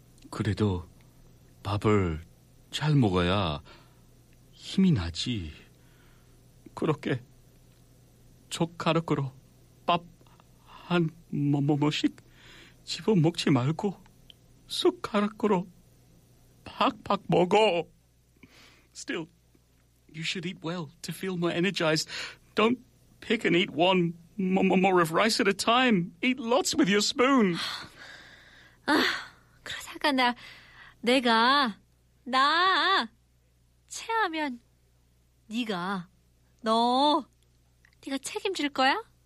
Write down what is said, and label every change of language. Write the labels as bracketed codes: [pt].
[ko] 그래도 밥을 잘 먹어야 힘이 나지. 그렇게 젓가락으로 밥 한 뭐뭐뭐씩 집어 먹지 말고 숟가락으로 팍팍 먹어. [en] Still, you should eat well to feel more energized. Don't pick and eat one more of rice at a time. Eat lots with your spoon. [ko] 아, 그러다가 내가 체하면 네가 책임질 거야?